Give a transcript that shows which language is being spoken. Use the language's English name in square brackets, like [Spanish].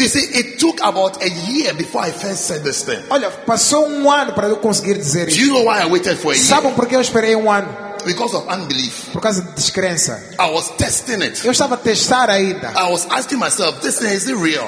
[English] You see, it took about a year before I first said this thing. [Portuguese] Olha, passou 1 ano para eu conseguir dizer isso. [English] Do you know why I waited for a year? [Portuguese] Sabem por que eu esperei 1 ano? [English] Because of unbelief. [Portuguese] Por causa de descrença. [English] I was testing it. [Portuguese] Eu estava a testar ainda. [English] I was asking myself, this thing, is it real?